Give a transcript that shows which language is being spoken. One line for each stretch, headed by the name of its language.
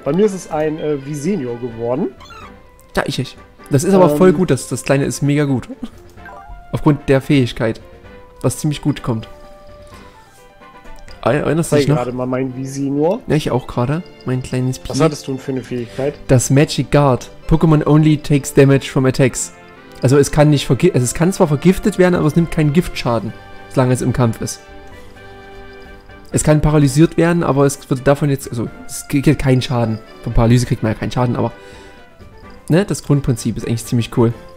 German: Bei mir ist es ein Visenio geworden. Ja, ich. Das ist aber voll gut, das Kleine ist mega gut. Aufgrund der Fähigkeit, was ziemlich gut kommt. Erinnerst du dich noch? Ich gerade mal mein Visenio. Ja, ich auch gerade. Mein kleines Pia. Was hattest du denn für eine Fähigkeit? Das Magic Guard.
English: Pokémon only takes damage from attacks.
German: Also es kann nicht es kann zwar vergiftet werden, aber es nimmt keinen Giftschaden, solange es im Kampf ist. Es kann paralysiert werden, aber es wird davon jetzt, also es kriegt keinen Schaden. Von Paralyse kriegt man ja keinen Schaden, aber ne, das Grundprinzip ist eigentlich ziemlich cool.